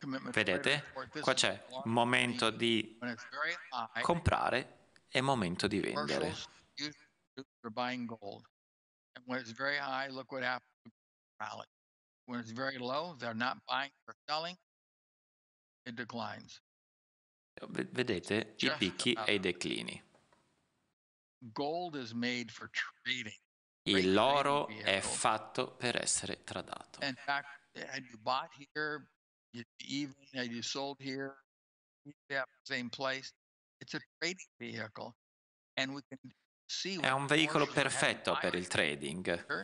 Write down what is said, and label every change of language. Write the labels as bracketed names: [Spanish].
[Italian] Vedete? Qua c'è momento di comprare e momento di vendere. [English] For buying gold, and when it's very high, look what happens to rally. When it's very low, they're not buying or selling, it declines. [Italian] Vedete i picchi e i declini. [English] Gold is made for trading. [Italian] L'oro è fatto per essere tradato. [English] In fact, had you bought here, you'd be even, had you sold here, you'd be at the same place. It's a trading vehicle, and we can. [Italian] È un veicolo perfetto per il trading.